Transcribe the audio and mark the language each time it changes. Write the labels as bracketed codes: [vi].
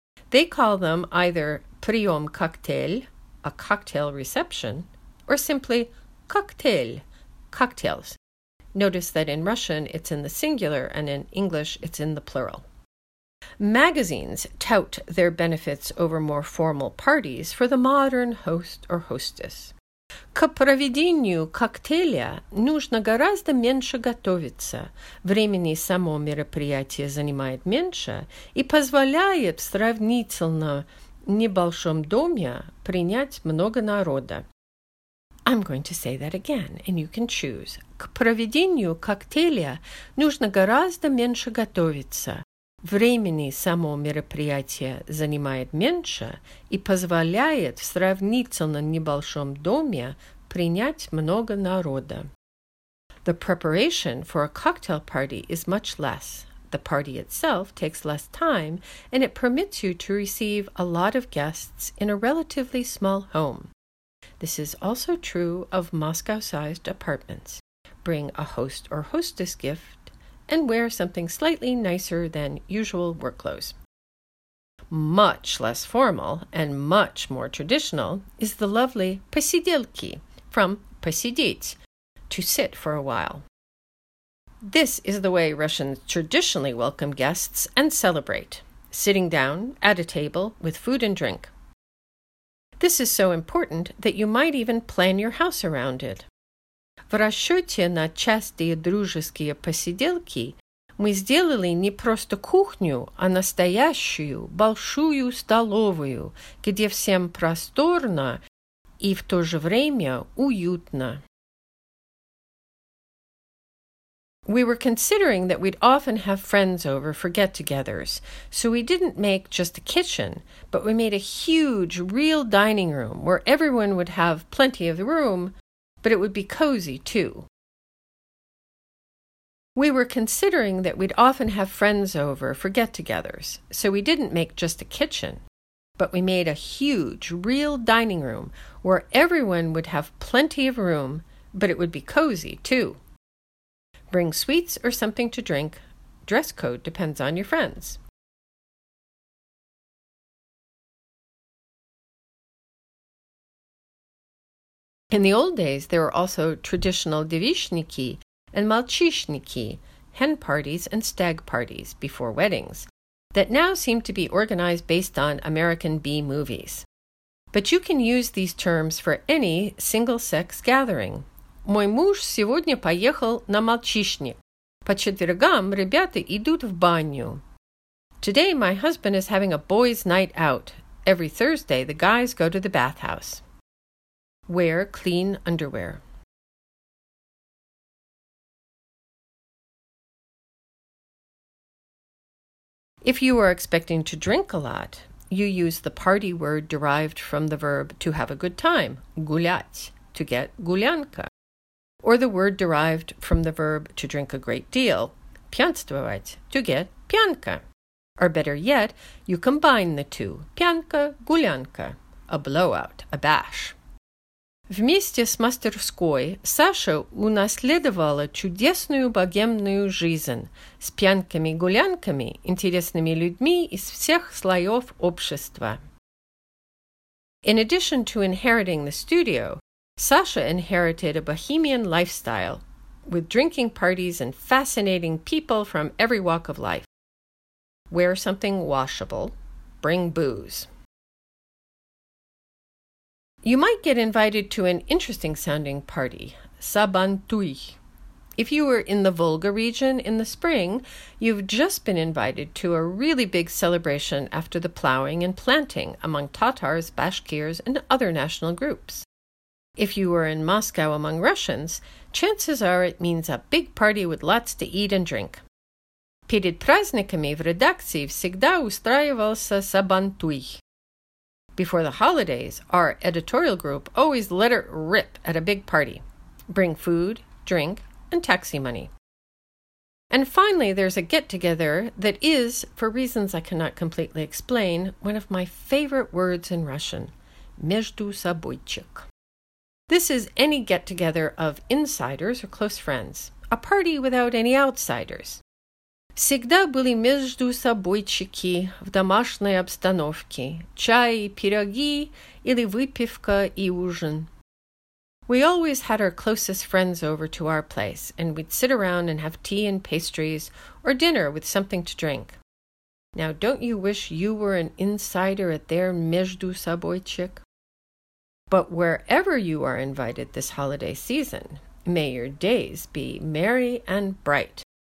[en] They call them either prium cocktail, a cocktail reception, or simply cocktail, cocktails. Notice that in Russian it's in the singular and in English it's in the plural. Magazines tout their benefits over more formal parties for the modern host or hostess. [ru] К проведению коктейля нужно гораздо меньше готовиться, времени само мероприятие занимает меньше и позволяет в сравнительно небольшом доме принять много народа. [en] I'm going to say that again, and you can choose. [ru] К проведению коктейля нужно гораздо меньше готовиться. Времени само мероприятие занимает меньше и позволяет в сравнительно небольшом доме принять много народа. [en] The preparation for a cocktail party is much less. The party itself takes less time, and it permits you to receive a lot of guests in a relatively small home. This is also true of Moscow-sized apartments. Bring a host or hostess gift, and wear something slightly nicer than usual work clothes. Much less formal and much more traditional is the lovely посиделки from посидеть, to sit for a while. This is the way Russians traditionally welcome guests and celebrate, sitting down at a table with food and drink. This is so important that you might even plan your house around it. [ru] В расчете на частые дружеские посиделки мы сделали не просто кухню, а настоящую большую столовую, где всем просторно и в то же время уютно. [en] We were considering that we'd often have friends over for get-togethers, so we didn't make just a kitchen, but we made a huge, real dining room where everyone would have plenty of room. But it would be cozy, too. We were considering that we'd often have friends over for get-togethers, so we didn't make just a kitchen, but we made a huge, real dining room where everyone would have plenty of room, but it would be cozy, too. Bring sweets or something to drink. Dress code depends on your friends. In the old days, there were also traditional devishniki and malchishniki, hen parties and stag parties before weddings, that now seem to be organized based on American B-movies. But you can use these terms for any single-sex gathering. [ru] Мой муж сегодня поехал на мальчишник. По четвергам ребята идут в баню. [en] Today, my husband is having a boys' night out. Every Thursday, the guys go to the bathhouse. Wear clean underwear. If you are expecting to drink a lot, you use the party word derived from the verb to have a good time, гулять, to get гулянка, or the word derived from the verb to drink a great deal, пьянствовать, to get пьянка. Or better yet, you combine the two, пьянка, гулянка, a blowout, a bash. [ru] Вместе с мастерской Саша унаследовала чудесную богемную жизнь с пьянками-гулянками, интересными людьми из всех слоев общества. [en] In addition to inheriting the studio, Саша inherited a bohemian lifestyle with drinking parties and fascinating people from every walk of life. Wear something washable, bring booze. You might get invited to an interesting-sounding party, Сабантуй. If you were in the Volga region in the spring, you've just been invited to a really big celebration after the plowing and planting among Tatars, Bashkirs, and other national groups. If you were in Moscow among Russians, chances are it means a big party with lots to eat and drink. [ru] Перед праздниками в редакции всегда устраивался Сабантуй. [en] Before the holidays, our editorial group always let it rip at a big party. Bring food, drink, and taxi money. And finally, there's a get-together that is, for reasons I cannot completely explain, one of my favorite words in Russian, между собойчик. This is any get-together of insiders or close friends, a party without any outsiders. [ru] Всегда были между собойчики в домашней обстановке, чай, пироги или выпивка и ужин. [en] We always had our closest friends over to our place, and we'd sit around and have tea and pastries, or dinner with something to drink. Now, don't you wish you were an insider at their между собойчик? But wherever you are invited this holiday season, may your days be merry and bright.